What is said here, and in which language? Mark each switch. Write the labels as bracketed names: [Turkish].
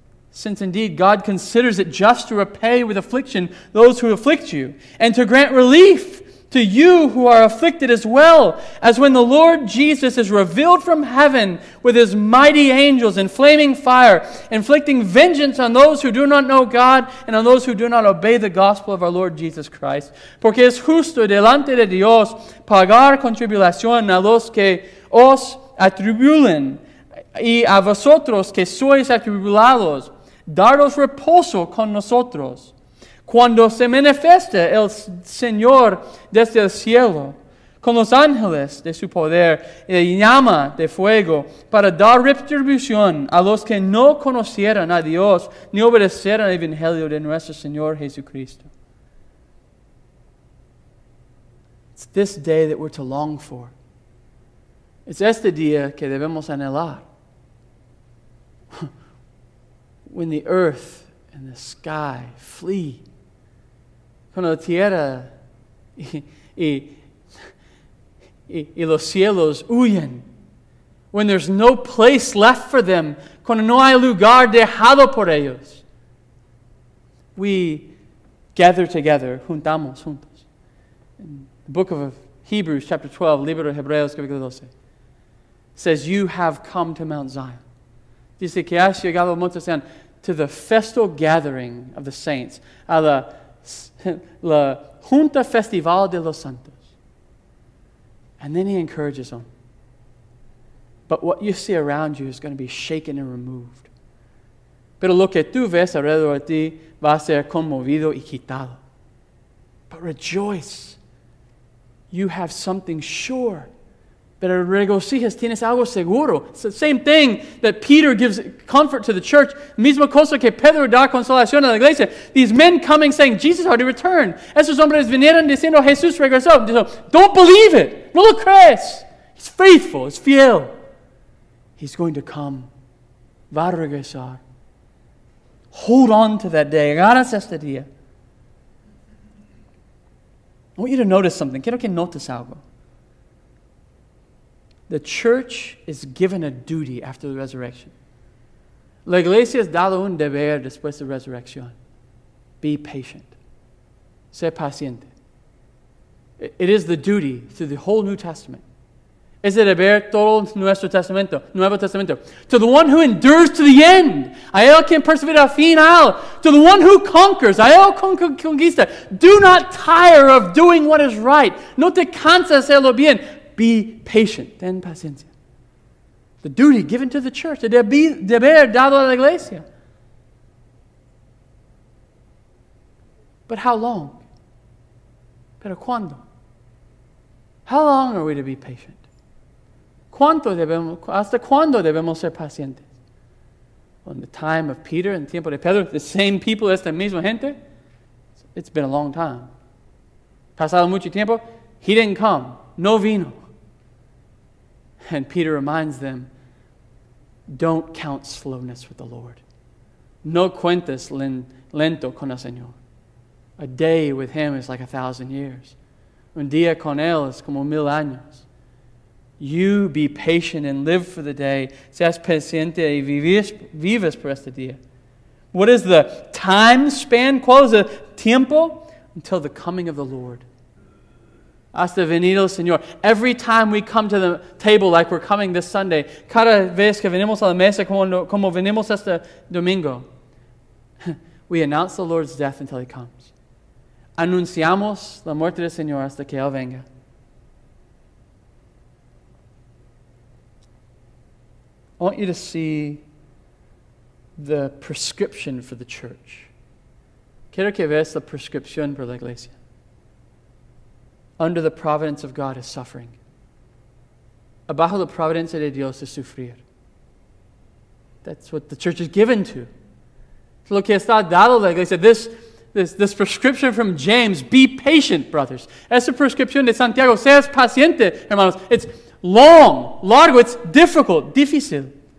[English] Since indeed God considers it just to repay with affliction those who afflict you and to grant relief to you who are afflicted as well, as when the Lord Jesus is revealed from heaven with his mighty angels in flaming fire, inflicting vengeance on those who do not know God and on those who do not obey the gospel of our Lord Jesus Christ. [Spanish] Porque es justo delante de Dios pagar con tribulación a los que os atribulen y a vosotros que sois atribulados, daros reposo con nosotros. Cuando se manifieste el Señor desde el cielo, con los ángeles de su poder, y llama de fuego, para dar retribución a los que no conocieran a Dios, ni obedecieran el Evangelio de nuestro Señor Jesucristo. [English] It's this day that we're to long for. [Spanish] It's este día que debemos anhelar. [English] When the earth and the sky flee, [Spanish] cuando la tierra y los cielos huyen, [English] when there's no place left for them, [Spanish] cuando no hay lugar dejado por ellos, [English] we gather together, [Spanish] juntamos, juntos, [English] In the book of Hebrews, chapter 12, [Spanish] Libro de Hebreos, capítulo 12, [English] says, you have come to Mount Zion. [Spanish] Dice que has llegado a Monte Zion, [English] to the festal gathering of the saints, [Spanish] a la junta festival de los santos. [English] And then he encourages them. But what you see around you is going to be shaken and removed. [Spanish] Pero lo que tú ves alrededor de ti va a ser conmovido y quitado. [English] But rejoice. You have something sure. [Spanish] Pero regocijas, tienes algo seguro. [English] It's the same thing that Peter gives comfort to the church. [Spanish] Misma cosa que Pedro da consolación a la iglesia. [English] These men coming saying, Jesus already returned. [Spanish] Esos hombres vinieron diciendo, Jesús regresó. [English] Don't believe it. [Spanish] No lo crees. [English] He's faithful. He's [Spanish] fiel. [English] He's going to come. [Spanish] Va a regresar. [English] Hold on to that day. [Spanish] Agarras este día. [English] I want you to notice something. [Spanish] Quiero que notes algo. [English] The church is given a duty after the resurrection. [Spanish] La iglesia es dado un deber después de resurrección. [English] Be patient. [Spanish] Sé paciente. [English] It is the duty through the whole New Testament. [Spanish] Es el deber todo nuestro testamento, Nuevo Testamento. [English] To the one who endures to the end, [Spanish] a él quien persevera al final. [English] To the one who conquers, [Spanish] a él conquista. [English] Do not tire of doing what is right. [Spanish] No te canses de hacer lo bien. [English] Be patient. [Spanish] Ten paciencia. [English] The duty given to the church. [Spanish] El deber dado a la iglesia. [English] But how long? [Spanish] Pero cuándo? [English] How long are we to be patient? [Spanish] ¿Hasta cuándo debemos ser pacientes? [English] Well, in the time of Peter, in the [Spanish] tiempo de Pedro, [English] the same people, [Spanish] esta misma gente, [English] it's been a long time. [Spanish] Pasado mucho tiempo, [English] he didn't come, [Spanish] no vino. [English] And Peter reminds them, don't count slowness with the Lord. [Spanish] No cuentes lento con el Señor. [English] A day with him is like 1,000 years. [Spanish] Un día con él es como 1,000 años. [English] You be patient and live for the day. [Spanish] Seas paciente y vives por este día. [English] What is the time span? [Spanish] ¿Cuál es el tiempo? [English] Until the coming of the Lord. [Spanish] Hasta venido el Señor. [English] Every time we come to the table like we're coming this Sunday, [Spanish] cada vez que venimos a la mesa como venimos este domingo, [English] we announce the Lord's death until he comes. [Spanish] Anunciamos la muerte del Señor hasta que él venga. [English] I want you to see the prescription for the church. [Spanish] Quiero que veas la prescripción para la iglesia. [English] Under the providence of God is suffering. [Spanish] Abajo la providencia de Dios es sufrir. [English] That's what the church is given to. [Spanish] Lo que está dado la iglesia. [English] This prescription from James, be patient, brothers. [Spanish] Esa prescripción de Santiago, seas paciente, hermanos. [English] It's long, [Spanish] largo, [English] it's difficult, [Spanish] difícil.